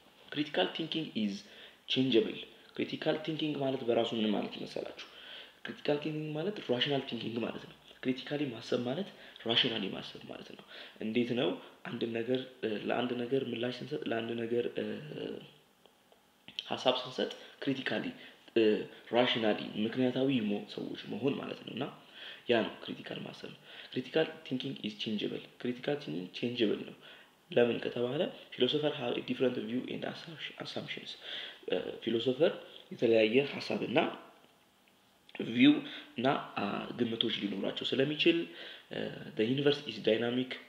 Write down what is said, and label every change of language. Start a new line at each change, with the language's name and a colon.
English: critical thinking is changeable.
Amharic: critical thinking ማለት በራሱ ምን ማለት ይመስላችሁ? critical thinking ማለት rational thinking ማለት ነው. critically ማሰብ ማለት rationally ማሰብ ማለት ነው. እንዴት ነው ለአንድ ነገር ምላሽ ስንሰጥ ለአንድ ነገር ሐሳብ ስንሰጥ critically rationally ምክንያታዊ ሰዎች መሆን ማለት ነውና ያ ነው critical ማሰብ.
English: critical thinking is changeable. critical thinking changeable ነው. ለምን ከተባለ philosopher have a different view and assumptions.
Amharic: philosopher የተለያየ ሐሳብና view እና ግምቶች ሊኖራቸው ስለሚችል the universe is dynamic.